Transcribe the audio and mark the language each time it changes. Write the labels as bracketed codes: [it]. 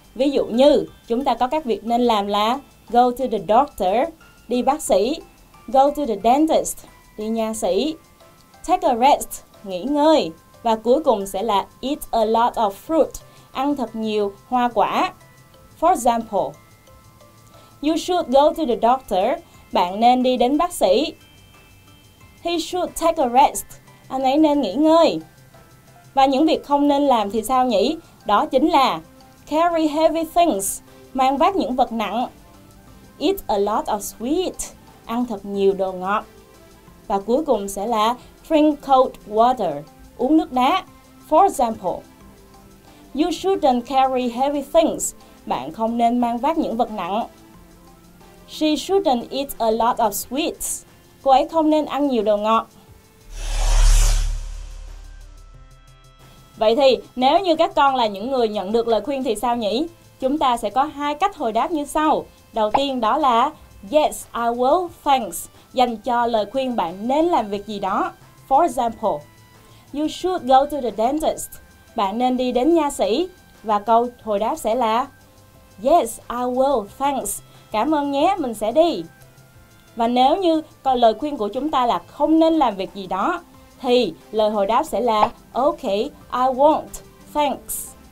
[vi] Ví dụ như chúng ta có các việc nên làm là [en] go to the doctor, [vi] đi bác sĩ, [en] go to the dentist, [vi] đi nha sĩ, [en] take a rest, [vi] nghỉ ngơi, và cuối cùng sẽ là [en] eat a lot of fruit, [vi] ăn thật nhiều hoa quả. [en] For example, you should go to the doctor. [vi] Bạn nên đi đến bác sĩ. [en] He should take a rest. [vi] Anh ấy nên nghỉ ngơi. Và những việc không nên làm thì sao nhỉ? Đó chính là [en] carry heavy things, [vi] mang vác những vật nặng. [en] Eat a lot of sweet, [vi] ăn thật nhiều đồ ngọt. Và cuối cùng sẽ là [en] drink cold water, [vi] uống nước đá. [en] For example, you shouldn't carry heavy things. [vi] Bạn không nên mang vác những vật nặng. [en] She shouldn't eat a lot of sweets. [vi] Cô ấy không nên ăn nhiều đồ ngọt. Vậy thì, nếu như các con là những người nhận được lời khuyên thì sao nhỉ? Chúng ta sẽ có hai cách hồi đáp như sau. Đầu tiên đó là [en] yes, I will, thanks, [vi] dành cho lời khuyên bạn nên làm việc gì đó. [en] For example, you should go to the dentist. [vi] Bạn nên đi đến nha sĩ. Và câu hồi đáp sẽ là [en] yes, I will, thanks. [vi] Cảm ơn nhé, mình sẽ đi. Và nếu như còn lời khuyên của chúng ta là không nên làm việc gì đó, thì lời hồi đáp sẽ là [en] okay, I won't, thanks.